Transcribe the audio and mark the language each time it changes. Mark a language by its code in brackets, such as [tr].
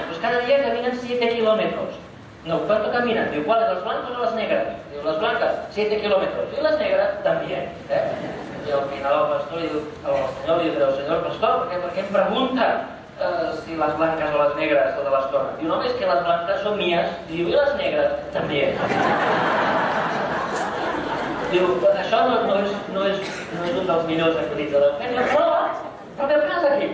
[ca] Pues cada dia caminen 7 quilòmetres. [es] No, ¿cuánto caminan? Diu, ¿cuáles, las blancas o las negras? Diu, las blancas, 7 kilómetros. Y las negras, también. [ca] I al final el pastor diu, el senyor li diu, senyor pastor, per què em pregunta si les blancas o les negras o de l'estona? Diu, no, és que les blancas són mies. Diu, i les negras, també. Diu, això no és un dels millors acudits de l'Eugenio, però ve el cas aquí.